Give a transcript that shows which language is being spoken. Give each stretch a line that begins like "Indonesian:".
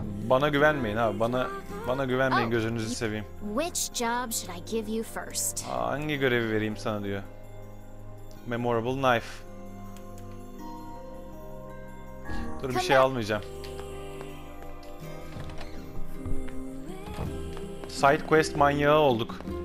Turkish: Bana güvenmeyin abi, bana güvenmeyin, gözünüzü seveyim.
English: Which job should I give you first?
Turkish: Hangi görevi vereyim sana diyor.
English: Memorable knife.
Turkish: Dur, bir şey almayacağım. Side quest manyağı olduk.